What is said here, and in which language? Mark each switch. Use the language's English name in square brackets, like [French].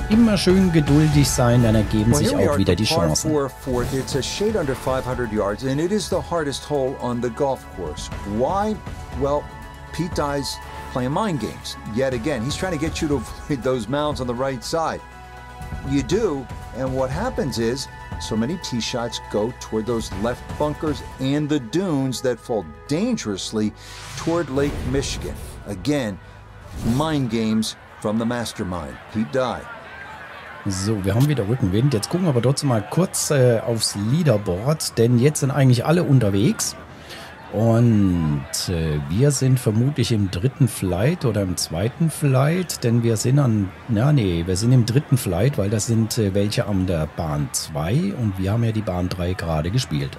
[German] Immer schön geduldig sein, dann ergeben sich auch wieder die Chancen. [English] It's a shade under 500 yards and it is the hardest hole on the golf course. Why? Well, Pete Dye's playing mind games. Yet again, he's trying to get you to avoid those mounds on the right side. You do, and what happens is so many tee shots go toward those left bunkers and the dunes that fall dangerously toward Lake Michigan. Again, mind games from the mastermind, Pete Dye. [German] So, wir haben wieder Rückenwind. Jetzt gucken wir aber trotzdem mal kurz aufs Leaderboard, denn jetzt sind eigentlich alle unterwegs. Und wir sind vermutlich im dritten Flight oder im zweiten Flight, denn wir sind im dritten Flight, weil das sind welche an der Bahn 2 und wir haben ja die Bahn 3 gerade gespielt.